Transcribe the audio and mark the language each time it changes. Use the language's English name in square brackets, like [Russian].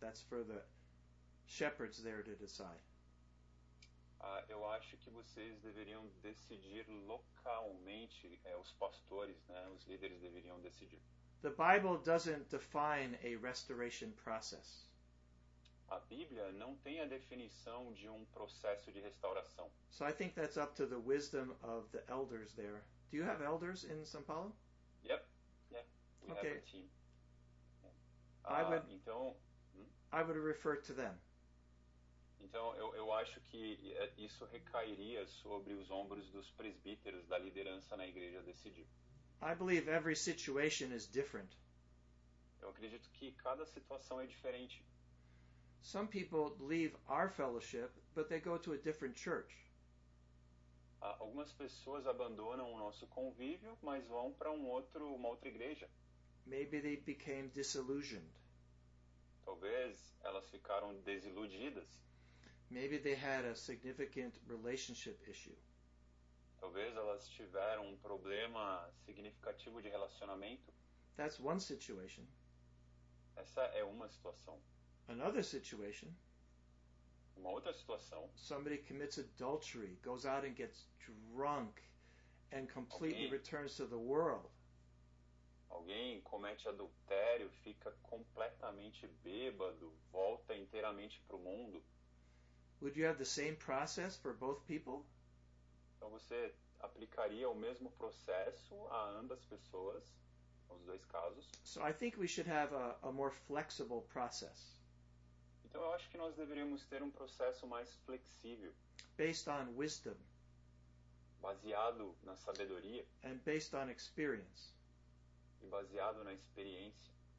[English] That's for the shepherds there to decide. [Portuguese] Eu acho que vocês deveriam decidir localmente, os pastores, né? Os líderes deveriam decidir. [English] The Bible doesn't define a restoration process. [Portuguese] A Bíblia não tem a definição de processo de restauração. [English] So I think that's up to the wisdom of the elders there. Do you have elders in São Paulo? Yep. Yeah. We okay. have a team. I would refer to them. [Portuguese] Então, eu acho que isso recairia sobre os ombros dos presbíteros da liderança na igreja decidir. [English] I believe every situation is different. [Portuguese] Eu acredito que cada situação é diferente. [English] Some people leave our fellowship, but they go to a different church. [Portuguese] Algumas pessoas abandonam o nosso convívio, mas vão para uma outra igreja. [English] Maybe they became disillusioned. [Portuguese] Talvez elas ficaram desiludidas. [English] Maybe they had a significant relationship issue. [Portuguese] Talvez elas tiveram problema significativo de relacionamento. [English] That's one situation. [Portuguese] Essa é uma situação. [English] Another situation. [Portuguese] Uma outra situação. [English] Somebody commits adultery, goes out and gets drunk, and completely returns to the world. [Portuguese] Alguém comete adultério, fica completamente bêbado, volta inteiramente para o mundo. [English] Would you have the same process for both people? [Portuguese] Então você aplicaria o mesmo processo a ambas pessoas, aos dois casos? [English] So I think we should have a more flexible process. [Portuguese] Então eu acho que nós deveríamos ter processo mais flexível. [English] Based on wisdom. [Portuguese] Baseado na sabedoria. [English] And based on experience. [Portuguese] E baseado na experiência.